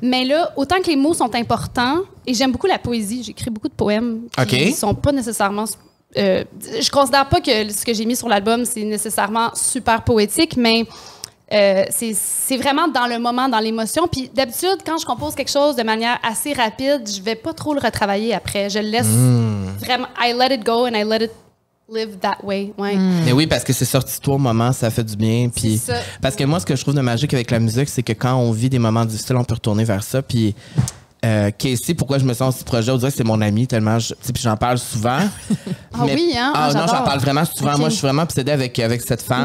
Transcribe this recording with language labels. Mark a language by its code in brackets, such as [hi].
[fr] Mais là, autant que les mots sont importants, et j'aime beaucoup la poésie, j'écris beaucoup de poèmes qui ne sont pas nécessairement... je considère pas que ce que j'ai mis sur l'album, c'est nécessairement super poétique, mais... c'est vraiment dans le moment, dans l'émotion. Puis d'habitude, quand je compose quelque chose de manière assez rapide, je vais pas trop le retravailler après. Je le laisse vraiment... [en] I let it go and I let it live that way. [fr] Ouais. Mm. Mais oui, parce que c'est sorti de toi au moment, ça fait du bien. Puis parce que moi, ce que je trouve de magique avec la musique, c'est que quand on vit des moments difficiles, on peut retourner vers ça. Puis... Casey, pourquoi je me sens ce projet, on dirait que c'est mon ami tellement, puis j'en parle souvent. Ah mais, oui, hein? Ah non, j'en parle vraiment souvent. Okay. Moi, je suis vraiment obsédée avec cette femme.